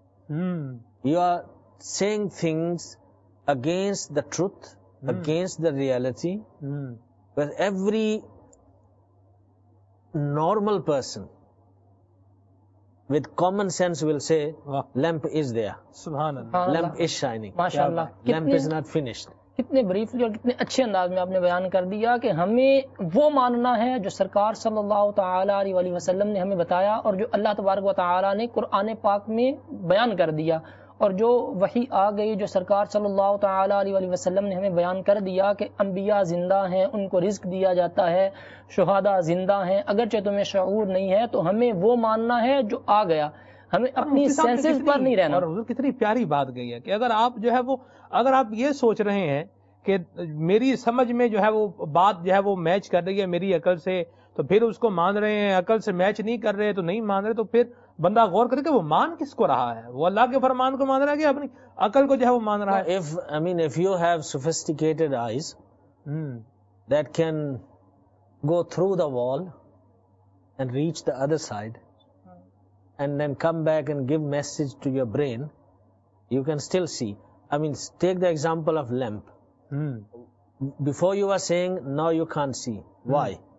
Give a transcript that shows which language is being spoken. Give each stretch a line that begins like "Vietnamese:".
English: You are saying things against the truth, against the reality. But every normal person with common sense will say, lamp is there.
Arabic: Subhanallah.
English: Lamp is shining.
Arabic: MashaAllah.
English: Lamp is not finished.
Urdu: کتنے briefly اور کتنے اچھے انداز میں آپ نے بیان کر دیا کہ ہمیں وہ ماننا ہے جو سرکار صلی اللہ تعالی علیہ وسلم نے ہمیں بتایا اور جو اللہ تبارک و تعالی نے قرآن پاک میں بیان کر دیا اور جو وحی آ گئی جو سرکار صلی اللہ تعالی علیہ وسلم نے ہمیں بیان کر دیا کہ انبیاء زندہ ہیں، ان کو رزق دیا جاتا ہے، شہداء زندہ ہیں، اگرچہ تمہیں شعور نہیں ہے، تو ہمیں وہ ماننا ہے جو آ گیا، ہمیں اپنی سینسز پر نہیں رہنا. اور حضور کتنی پیاری بات گئی ہے کہ اگر آپ جو ہے وہ اگر آپ یہ سوچ رہے ہیں کہ میری سمجھ میں جو ہے وہ بات جو ہے وہ میچ کر رہی ہے میری عقل سے، تو پھر اس کو مان رہے ہیں، عقل سے میچ نہیں کر رہے تو نہیں مان رہے، تو پھر بندہ غور کرے کہ وہ مان کس کو رہا ہے؟ وہ اللہ کے فرمان کو مان رہا ہے کہ اپنی عقل کو جو ہے وہ مان رہا ہے؟
English: If you have sophisticated eyes that can go through the wall and reach the other side and then come back and give message to your brain, you can still see. I mean, take the example of lamp. Before you were saying, now you can't see. Why?